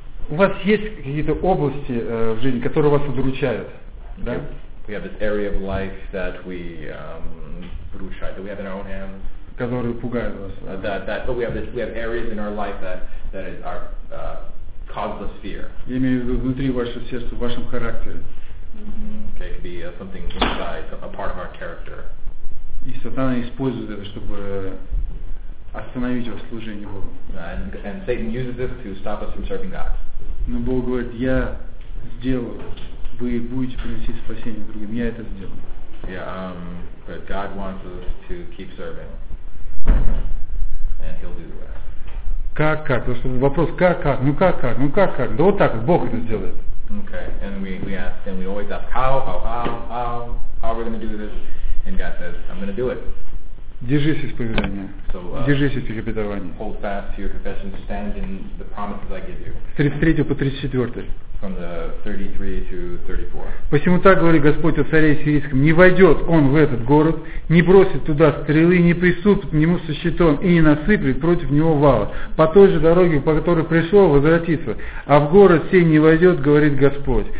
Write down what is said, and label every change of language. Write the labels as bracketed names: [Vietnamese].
[Russian] У вас есть какие-то области в жизни, которые вас удручают, да? [English] We have this area of life that we [Russian] удручает. [English] We have in our own hands. [Russian] Которые пугают вас. [English] But we have areas in our life that is our cause us fear. [Russian] Я имею в виду внутри вашего сердца, в вашем характере. [English] Okay, it could be something inside, a part of our character. [Russian] И сатана использует это, чтобы остановить вас в служении Богу. [English] And Satan uses this to stop us from serving God. [Russian] Но Бог говорит, я сделаю. вы будете приносить спасение другим. Я это сделаю. [English] Yeah, but God wants us to keep serving. And he'll do the rest. [Russian] Как? Потому что вопрос как? Ну как? Ну как? Да вот так вот Бог это сделает. [English] Okay. And we ask and we always ask how are we going to do this? And God says, I'm going to do it. [Russian] Держись исповедания. [English] So, [Russian] держись исповедования. [English] Hold fast to your confession, stand in the promises I give you. [Russian] С 33 по 34. [English] From the 33 to 34. [Russian] Посему так говорит Господь о царе сирийском: не войдет он в этот город, не бросит туда стрелы, не приступит к нему со щитом и не насыплет против него вала. По той же дороге, по которой пришел, возвратится. А в город сей не войдет, говорит Господь.